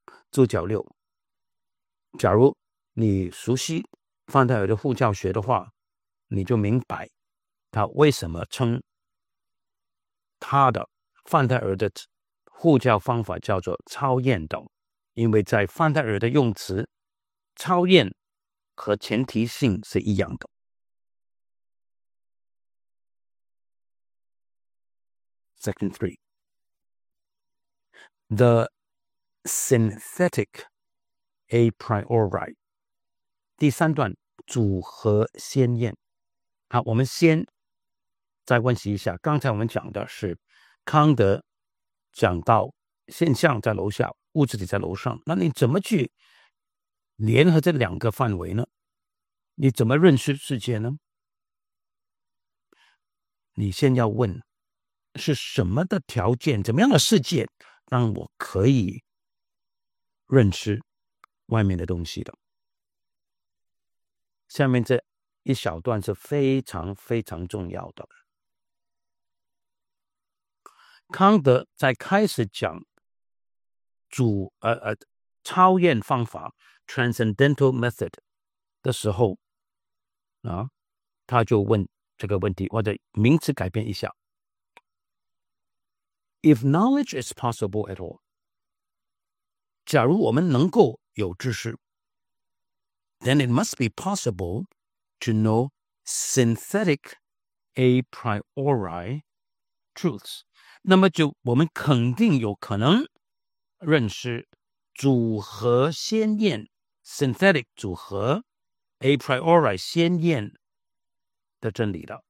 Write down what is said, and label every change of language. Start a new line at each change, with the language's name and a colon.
Chinese: 注脚六，假如你熟悉范戴尔的护教学的话，你就明白他为什么称他的范戴尔的护教方法叫做超验的，因为在范戴尔的用词，超验和前提性是一样的。
English: Section 3 TheSynthetic a priori
Chinese: 第三段组合先验。好，我们先再温习一下，刚才我们讲的是康德讲到现象在楼下，物质体在楼上，那你怎么去联合这两个范围呢？你怎么认识世界呢？你先要问是什么的条件，怎么样的世界让我可以认识外面的东西的。下面这一小段是非常非常重要的。康德在开始讲超验方法 Transcendental Method 的时候，他就问这个问题，或者名词改变一下。
English: If knowledge is possible at all,
Chinese: 假如我们能够有知识
English: then it must be possible to know synthetic a priori truths.
Chinese: 那么就我们肯定有可能认识组合先验 synthetic 组合 a priori 先验的真理的。